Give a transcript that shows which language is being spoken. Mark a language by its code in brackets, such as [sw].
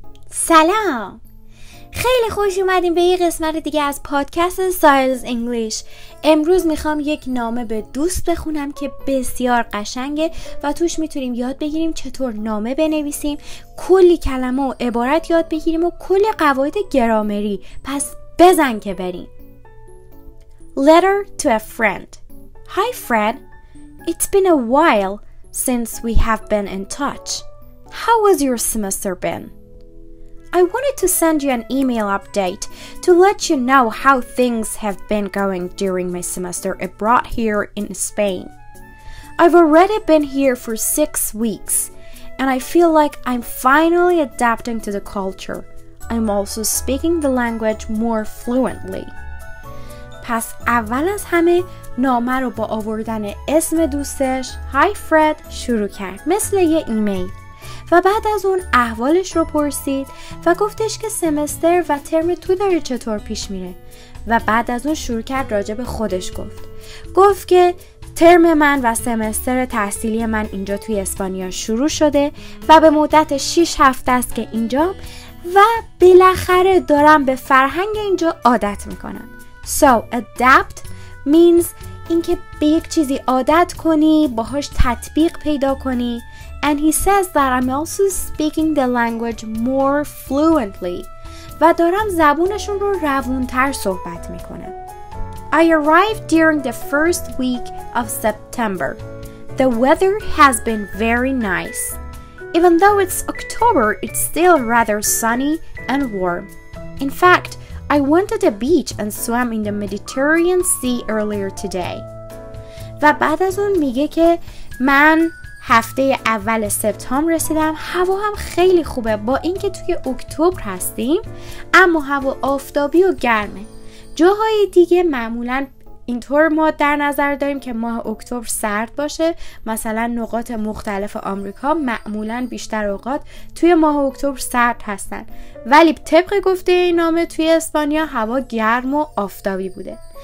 [fa] سلام، خیلی خوش اومدیم به یه قسمت دیگه از پادکست ساحلز انگلیش. امروز میخوام یک نامه به دوست بخونم که بسیار قشنگه و توش میتونیم یاد بگیریم چطور نامه بنویسیم، کلی کلمه و عبارت یاد بگیریم و کلی قواعد گرامری. پس بزن که بریم. [en] Letter to a friend. Hi Fred, it's been a while since we have been in touch. How was your semester been? I wanted to send you an email update to let you know how things have been going during my semester abroad here in Spain. I've already been here for 6 weeks, and I feel like I'm finally adapting to the culture. I'm also speaking the language more fluently. [fa] پس اول از همه نامه رو با آوردن اسم دوستش Hi Fred شروع کرد، مثل یه ایمیل، و بعد از اون احوالش رو پرسید و گفتش که سمستر و ترم تو داره چطور پیش میره، و بعد از اون شروع کرد راجع به خودش گفت. گفت که ترم من و سمستر تحصیلی من اینجا توی اسپانیا شروع شده و به مدت 6 هفته است که اینجا و بالاخره دارم به فرهنگ اینجا عادت میکنم. [en] So adapt means [fa] اینکه به یک چیزی عادت کنی، باهاش تطبیق پیدا کنی. [en] And he says that I'm also speaking the language more fluently. [fa] و دارم زبونشون رو روونتر صحبت میکنم. [en] I arrived during the first week of September. The weather has been very nice. Even though it's October, it's still rather sunny and warm. In fact, I went to the beach and swam in the Mediterranean Sea earlier today. [fa] و بعد از اون میگه که من هفته اول سپتامبر رسیدم، هوا هم خیلی خوبه با اینکه توی اکتبر هستیم، اما هوا آفتابی و گرمه. جاهای دیگه معمولا اینطور ما در نظر داریم که ماه اکتبر سرد باشه، مثلا نقاط مختلف آمریکا معمولا بیشتر اوقات توی ماه اکتبر سرد هستن، ولی طبق گفته این نامه توی اسپانیا هوا گرم و آفتابی بوده.